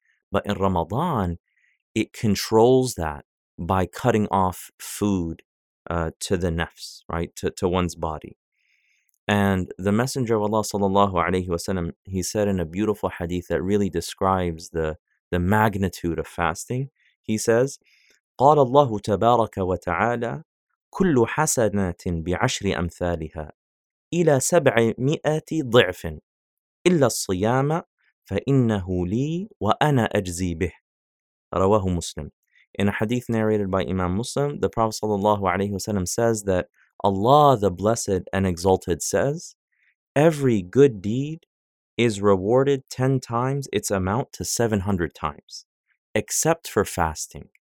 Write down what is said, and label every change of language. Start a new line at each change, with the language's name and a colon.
English: But in Ramadan, it controls that by cutting off food to the nafs, right, to one's body. And the Messenger of Allah sallallahu alayhi wa sallam, he said in a beautiful hadith that really describes the magnitude of fasting. He says,
Arabic: قال الله تبارك وتعالى كل حسنات بعشر أمثالها إلى سبعمائة ضعف إلا الصيام فإنه لي وأنا أجزي به. رواه مسلم.
English: In a hadith narrated by Imam Muslim, the Prophet sallallahu alayhi wa sallam says that Allah the Blessed and Exalted says, every good deed is rewarded 10 times its amount to 700 times, except for fasting.